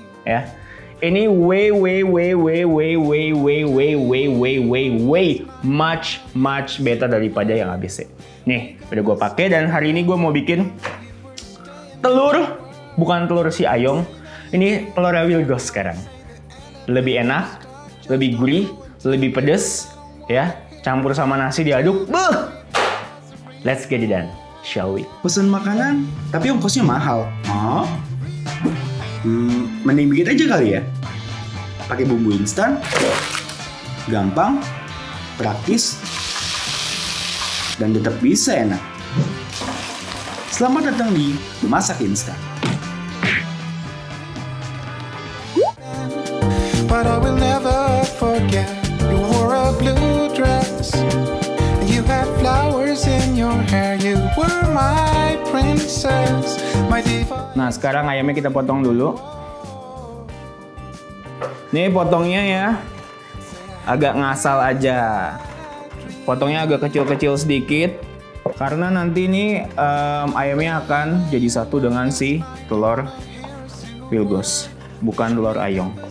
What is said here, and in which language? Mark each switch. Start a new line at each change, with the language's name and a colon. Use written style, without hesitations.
Indonesian: Ya, ini
English: way way way way way way way way way way way way much much better
Indonesian: daripada yang ABC. Nih udah gue pakai dan hari ini gue mau bikin telur, bukan telur si ayong. Ini telur awil gue sekarang. Lebih enak, lebih gurih, lebih pedes, ya. Campur sama nasi diaduk. Buh!
English: Let's get it done, shall we?
Indonesian: Pesan makanan, tapi ongkosnya mahal. Oh? Mending bikin aja kali ya. Pakai bumbu instan, gampang, praktis, dan tetap bisa enak. Selamat datang di Masak Instan.
English: But I will never forget. You wore a blue dress. You had flowers in your hair. You were my princess, my divine.
Indonesian: Nah, sekarang ayamnya kita potong dulu. Nih potongnya ya, agak ngasal aja. Potongnya agak kecil-kecil sedikit, karena nanti ini ayamnya akan jadi satu dengan si telur Wilgos, bukan telur ayong.